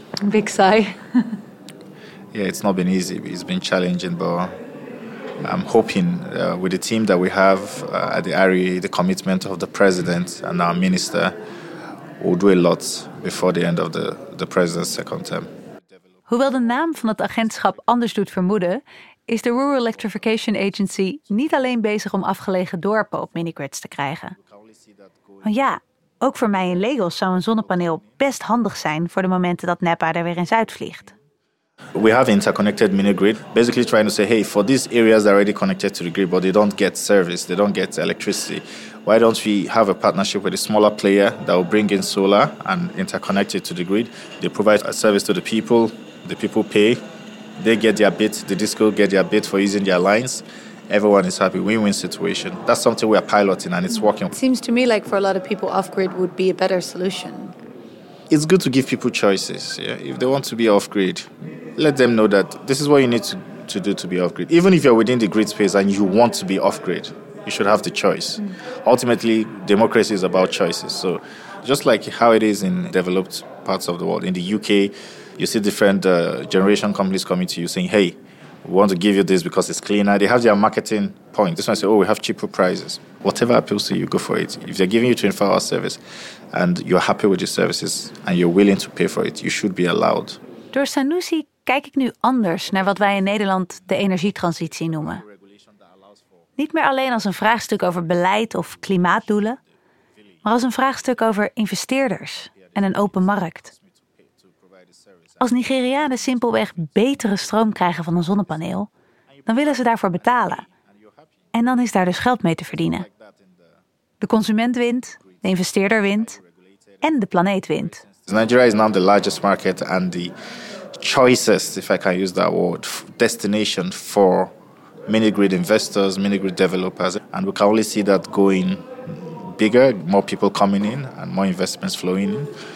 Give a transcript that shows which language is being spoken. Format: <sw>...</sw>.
<en>Big sigh. Yeah, it's not been easy. It's been challenging, but I'm hoping with the team that we have at the REA, the commitment of the president and our minister, we'll do a lot before the end of the president's second term.</en> <nl>Hoewel de naam van het agentschap anders doet vermoeden, is de Rural Electrification Agency niet alleen bezig om afgelegen dorpen op mini-grids te krijgen. Want ja, ook voor mij in Lagos zou een zonnepaneel best handig zijn voor de momenten dat NEPA er weer eens uitvliegt.</nl> <en>We have interconnected mini-grid, basically trying to say, hey, for these areas that are already connected to the grid, but they don't get service, they don't get electricity, why don't we have a partnership with a smaller player that will bring in solar and interconnect it to the grid? They provide a service to the people pay, they get their bit, the disco get their bit for using their lines, everyone is happy, win-win situation. That's something we are piloting and it's working. It seems to me like for a lot of people, off-grid would be a better solution. It's good to give people choices, yeah? If they want to be off-grid, let them know that this is what you need to do to be off-grid. Even if you're within the grid space and you want to be off-grid, you should have the choice. Mm. Ultimately, democracy is about choices. So just like how it is in developed parts of the world, in the UK, you see different generation companies coming to you saying, hey, we want to give you this because it's cleaner. They have their marketing point. This one say, oh, we have cheaper prices. Whatever appeals to you, go for it. If they're giving you 24-hour service and you're happy with your services and you're willing to pay for it, you should be allowed.</en> <nl>Door Sanusi kijk ik nu anders naar wat wij in Nederland de energietransitie noemen. Niet meer alleen als een vraagstuk over beleid of klimaatdoelen, maar als een vraagstuk over investeerders en een open markt. Als Nigerianen simpelweg betere stroom krijgen van een zonnepaneel, dan willen ze daarvoor betalen. En dan is daar dus geld mee te verdienen. De consument wint, de investeerder wint en de planeet wint.</nl> <en>Nigeria is now the largest market and the choices, if I can use that word, destination for mini-grid investors, mini-grid developers. And we can only see that going bigger, more people coming in and more investments flowing in.</en>